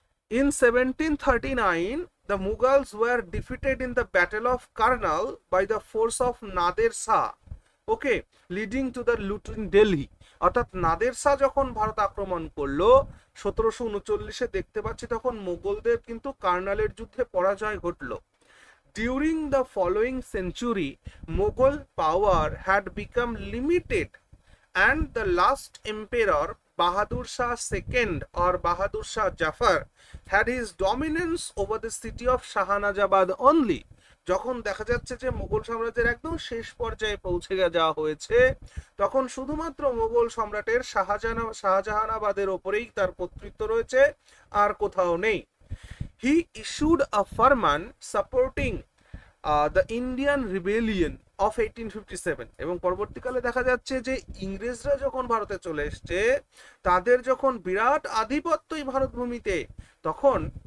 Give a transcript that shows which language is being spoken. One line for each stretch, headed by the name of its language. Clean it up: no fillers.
English: In 1739 the Mughals were defeated in the battle of Karnal by the force of Nader Shah, okay, leading to the loot in Delhi.
Bangla: অর্থাৎ নাদের শাহ যখন ভারত আক্রমণ করলো 1739, দেখতে পাচ্ছি তখন মোগলদের কিন্তু কার্নালের যুদ্ধে পরাজয় ঘটলো।
English: during the following century, Mughal power had become limited and the last emperor, Bahadur Shah II or Bahadur Shah Jafar, had his dominance over the city of Shahanajabad only.
Bangla: যখন দেখা যাচ্ছে যে মোগল সাম্রাজ্যের একদম শেষ পর্যায়ে পৌঁছে যাওয়া হয়েছে, তখন শুধুমাত্র মোগল সম্রাটের শাহজাহানাবাদের উপরেই তার কর্তৃত্ব রয়েছে, আর কোথাও নেই। হি ইস্যুড আ ফরমান supporting the Indian rebellion of 1857, এবং পরবর্তীকালে দেখা যাচ্ছে যে ইংরেজরা যখন ভারতে চলে এসছে, তাদের যখন বিরাট আধিপত্যই ভারত ভূমিতে, তখন